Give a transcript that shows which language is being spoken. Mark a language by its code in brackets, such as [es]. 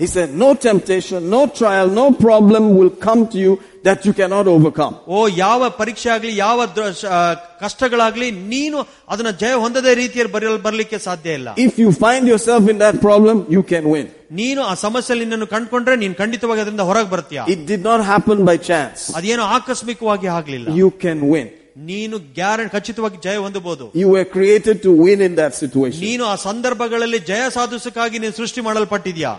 [en] He said, no temptation, no trial, no problem will come to you that you cannot overcome. [kn] ಓ, ಯಾವ ಪರೀಕ್ಷೆ ಆಗಲಿ ಯಾವ ಕಷ್ಟಗಳಾಗಲಿ ನೀನು ಅದನ್ನ ಜಯ ಹೊಂದದ ರೀತಿಯಲ್ಲಿ ಬರಲಿಕ್ಕೆ ಸಾಧ್ಯ ಇಲ್ಲ. [en] If you find yourself in that problem, you can win. [kn] ನೀನು ಆ ಸಮಸ್ಯೆಯಲ್ಲಿ ನಿನ್ನನ್ನು ಕಂಡುಕೊಂಡ್ರೆ ನೀನು ಖಂಡಿತವಾಗಿ ಅದರಿಂದ ಹೊರಗೆ ಬರ್ತೀಯ. [en] It did not happen by chance. [kn] ಅದೇನು ಆಕಸ್ಮಿಕವಾಗಿ ಆಗಲಿಲ್ಲ. [en] You can win. [kn] ನೀನು ಗ್ಯಾರಂಟಿ ಖಚಿತವಾಗಿ ಜಯ ಹೊಂದಬಹುದು. [en] You were created to win in that situation. [kn] ನೀನು ಆ ಸಂದರ್ಭಗಳಲ್ಲಿ ಜಯ ಸಾಧಿಸಕ್ಕಾಗಿ ನೀನು ಸೃಷ್ಟಿ ಮಾಡಲ್ಪಟ್ಟಿದ್ಯಾ.